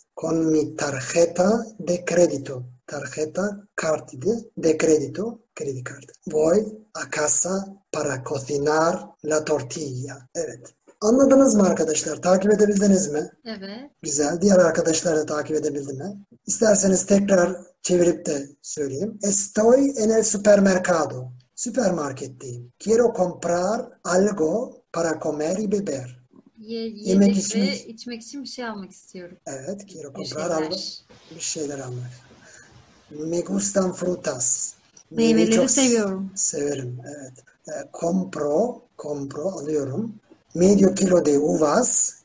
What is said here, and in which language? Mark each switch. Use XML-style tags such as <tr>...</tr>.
<es>Con mi tarjeta de crédito. Tarjeta card de crédito.</es> <en>Credit card.</en> <es>Voy a casa para cocinar la tortilla.</es> <tr>Evet. Anladınız mı arkadaşlar? Takip edebildiniz mi? Evet. Güzel. Diğer arkadaşlar da takip edebildi mi? İsterseniz tekrar çevirip de söyleyeyim.</tr> <es>Estoy en el supermercado.</es> <tr>Süpermarketteyim.</tr> <es>Quiero comprar algo para comer y beber.</es> <tr>Yemek ve içmek için bir şey almak istiyorum. Evet.</tr> <es>Quiero comprar algo.</es> <tr>Bir şeyler almak.</tr> <es>Me gustan frutas.</es> <tr>Meyveleri çok seviyorum. Severim. Evet. Compro. Alıyorum.</tr> <es>Medio kilo de uvas.</es>